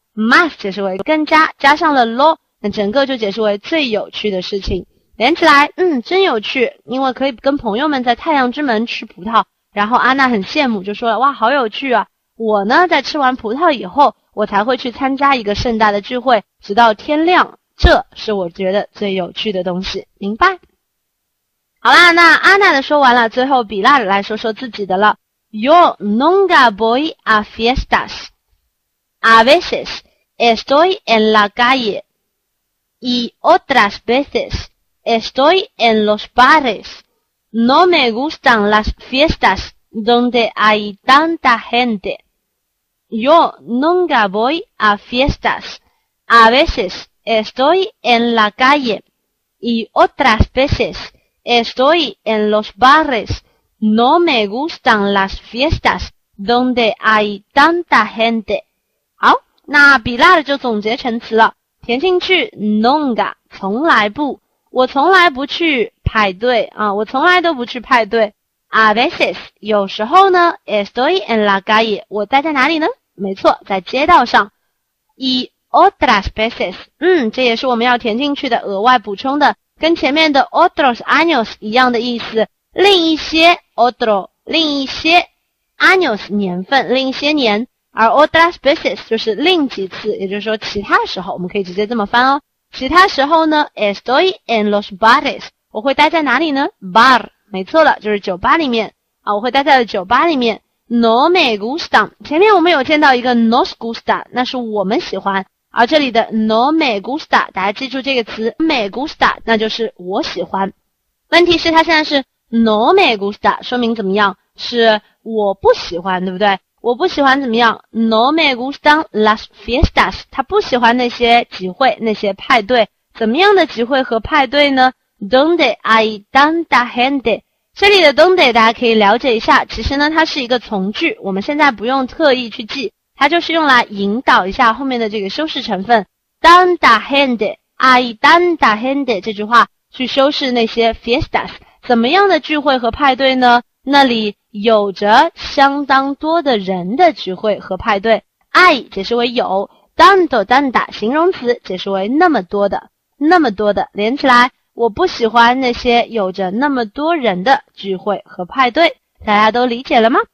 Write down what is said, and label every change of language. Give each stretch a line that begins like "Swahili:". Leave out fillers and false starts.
Chinese: más 解释为更加，加上了 lo， 那整个就解释为最有趣的事情，连起来，嗯，真有趣，因为可以跟朋友们在太阳之门吃葡萄，然后安娜很羡慕，就说了，哇，好有趣啊，我呢，在吃完葡萄以后，我才会去参加一个盛大的聚会，直到天亮，这是我觉得最有趣的东西，明白？好啦，那安娜的说完了，最后比拉来说说自己的了，
Spanish: Yo nunca voy a fiestas A veces estoy en la calle y otras veces estoy en los bares. No me gustan las fiestas donde hay tanta gente. Yo nunca voy a fiestas. A veces estoy en la calle y otras veces estoy en los bares. No me gustan las fiestas donde hay tanta gente.
Chinese: 那比拉尔就总结成词了，填进去 nunca 从来不，我从来不去派对啊，我从来都不去派对。
Spanish: A veces
Chinese: 有时候呢 ，
Spanish: estoy en la calle
Chinese: 我待在哪里呢？没错，在街道上。
Spanish: Y otras veces
Chinese: 嗯，这也是我们要填进去的额外补充的，跟前面的
Spanish: otros años
Chinese: 一样的意思，另一些 otro 另一些 años 年份，另一些年。而
Spanish: otras veces
Chinese: 就是另几次，也就是说其他时候，我们可以直接这么翻哦。其他时候呢 ，
Spanish: estoy en los bares，
Chinese: 我会待在哪里呢 ？bar， 没错了，就是酒吧里面啊，我会待在酒吧里面。 No me gustan， 前面我们有见到一个
Spanish: nos gusta，
Chinese: 那是我们喜欢，而这里的
Spanish: no me gusta，
Chinese: 大家记住这个词 ，me gusta， 那就是我喜欢。问题是它现在是
Spanish: no me gusta，
Chinese: 说明怎么样？是我不喜欢，对不对？我不喜欢怎么样
Spanish: ？No me gustan las fiestas。
Chinese: 他不喜欢那些集会、那些派对。怎么样的集会和派对呢 ？
Spanish: Donde hay tanta gente。
Chinese: 这里的 donde 大家可以了解一下。其实呢，它是一个从句，我们现在不用特意去记，它就是用来引导一下后面的这个修饰成分。
Spanish: Tanta gente, hay tanta gente
Chinese: 这句话去修饰那些
Spanish: fiestas。
Chinese: 怎么样的聚会和派对呢？那里有着相当多的人的聚会和派对 ，I 解释为有 ，
Spanish: tanto tanta
Chinese: 形容词解释为那么多的，那么多的，连起来，我不喜欢那些有着那么多人的聚会和派对，大家都理解了吗？